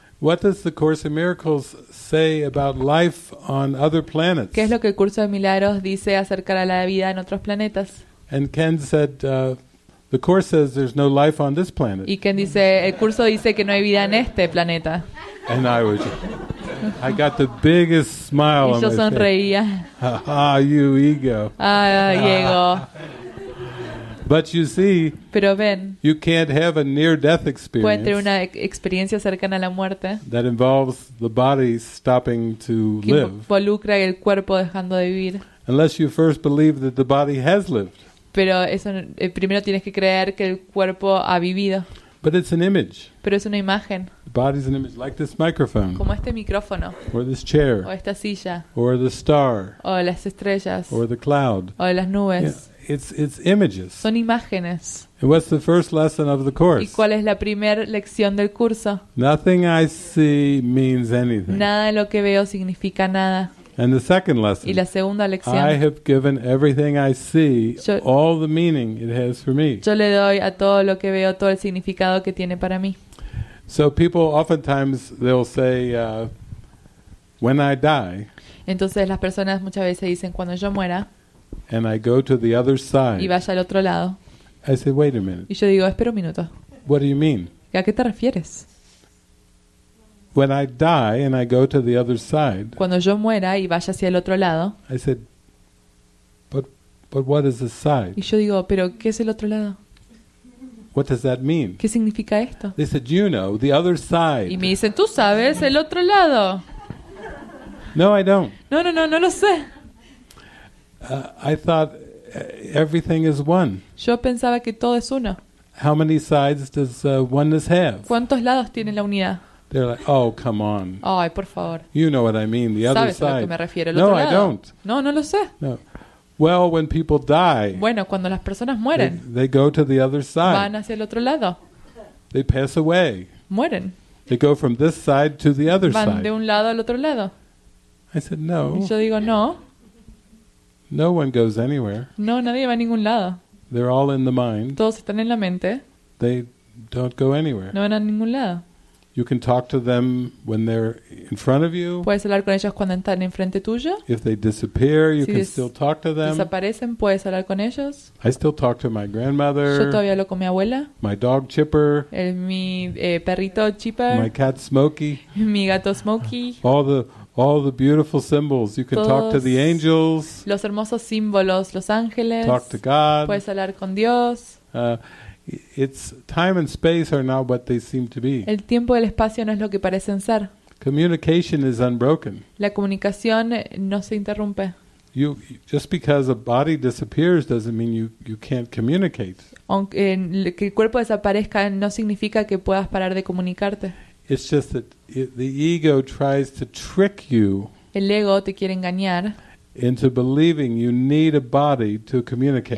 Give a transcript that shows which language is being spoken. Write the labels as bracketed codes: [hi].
[en] What does the Course in Miracles say about life on other planets? [es] ¿Qué es lo que el curso de milagros dice acerca de la vida en otros planetas? [en] And Ken said, the Course says there's no life on this planet. [es] Y Ken dice, el curso dice que no hay vida en este planeta. [en] And I got the biggest smile on my face. [es] Y yo sonreía. [en] Ah, you ego. [es] Ah, ego. [en] But you see, [es] pero ven, [en] you can't have a near-death experience. [es] Puede tener una experiencia cercana a la muerte. [en] That involves the body stopping to [es] que [en] live. [es] Que involucra el cuerpo dejando de vivir. [en] Unless you first believe that the body has lived. [es] Pero eso, primero tienes que creer que el cuerpo ha vivido. [en] But it's an image. [es] Pero es una imagen. [en] The body's an image, like this microphone. [es] Como este micrófono. [en] Or this chair. [es] O esta silla. [en] Or the star. [es] O las estrellas. [en] Or the cloud. [es] O las nubes. Yeah, [en] it's images. [es] Son imágenes. [en] And what's the first lesson of the course? [es] ¿Y cuál es la primer lección del curso? [en] Nothing I see means anything. [es] Nada de lo que veo significa nada. [en] And the second lesson. [es] Y la segunda lección. [en] I have given everything I see all the meaning it has for me. [es] Yo le doy a todo lo que veo todo el significado que tiene para mí. [en] So people oftentimes they'll say when I die. [es] Entonces las personas muchas veces dicen cuando yo muera. [en] And I go to the other side. [es] Y vaya al otro lado. [en] I said, wait a minute. [es] Y yo digo, espera un minuto. [en] What do you mean? [es] ¿A qué te refieres? [en] When I die and I go to the other side. [es] Cuando yo muera y vaya hacia el otro lado. [en] I said, but what is the side? [es] Y yo digo, pero ¿qué es el otro lado? [en] What does that mean? [es] ¿Qué significa esto? [en] They said, you know, the other side. [es] Y me dicen, tú sabes, el otro lado. [en] No, I don't. [es] No lo sé. [en] I thought everything is one. [es] Yo pensaba que todo es uno. [en] How many sides does oneness have? [es] ¿Cuántos lados tiene la unidad? [en] They're like, oh, come on. [es] Ay, por favor. [en] You know what I mean, the other side. [es] ¿Sabes a lo que me refiero, el no, otro lado? [en] No, I don't. [es] No lo sé. [en] No. Well, when people die. [es] Bueno, cuando las personas mueren. [en] They go to the other side. [es] Van hacia el otro lado. [en] They pass away. [es] Mueren. [en] They go from this side to the other [es] van [en] side. [es] Van de un lado al otro lado. [en] I said no. [es] Yo digo no. [en] No one goes anywhere. [es] No, nadie va a ningún lado. [en] They're all in the mind. [es] Todos están en la mente. [en] They don't go anywhere. [es] No van a ningún lado. [en] You can talk to them when they're in front of you. [es] Puedes hablar con ellos cuando están enfrente tuyo. [en] If they disappear, you can still talk to them. [es] Si desaparecen, puedes hablar con ellos. [en] I still talk to my grandmother. [es] Yo todavía hablo con mi abuela. [en] My dog Chipper. [es] Mi perrito Chipper. [en] My cat Smokey. [es] Mi gato Smokey. [en] All the beautiful symbols. You can talk to the angels. [es] Los hermosos símbolos, los ángeles. [en] Talk to God. [es] Puedes hablar con Dios. [en] It's time and space are not what they seem to be. [es] El tiempo y el espacio no es lo que parecen ser. [en] Communication is unbroken. [es] La comunicación no se interrumpe. [en] You just because a body disappears doesn't mean you can't communicate. [es] Aunque que el cuerpo desaparezca no significa que puedas parar de comunicarte. [en] It's just that the ego tries to trick you. [es] El ego te quiere engañar. [en] Into believing you need a body to communicate.